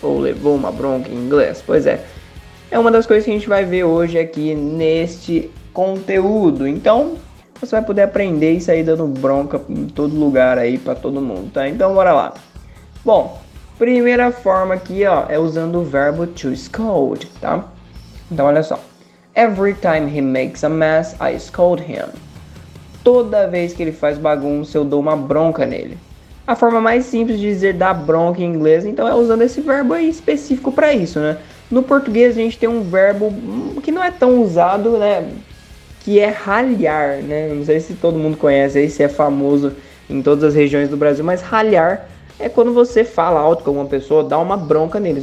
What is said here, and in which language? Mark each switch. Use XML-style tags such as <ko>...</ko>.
<pt>Ou levou uma bronca em inglês? Pois é. É uma das coisas que a gente vai ver hoje aqui neste conteúdo. Então, você vai poder aprender e sair dando bronca em todo lugar aí pra todo mundo, tá? Então, bora lá. Bom, primeira forma aqui, ó, é usando o verbo to scold, tá? Então, olha só.</pt> <en>Every time he makes a mess, I scold him.</en> <pt>Toda vez que ele faz bagunça, eu dou uma bronca nele. A forma mais simples de dizer dar bronca em inglês, então, é usando esse verbo aí específico pra isso, né? No português, a gente tem um verbo que não é tão usado, né? Que é ralhar, né? Não sei se todo mundo conhece aí, se é famoso em todas as regiões do Brasil, mas ralhar é quando você fala alto com uma pessoa, dá uma bronca neles.</pt>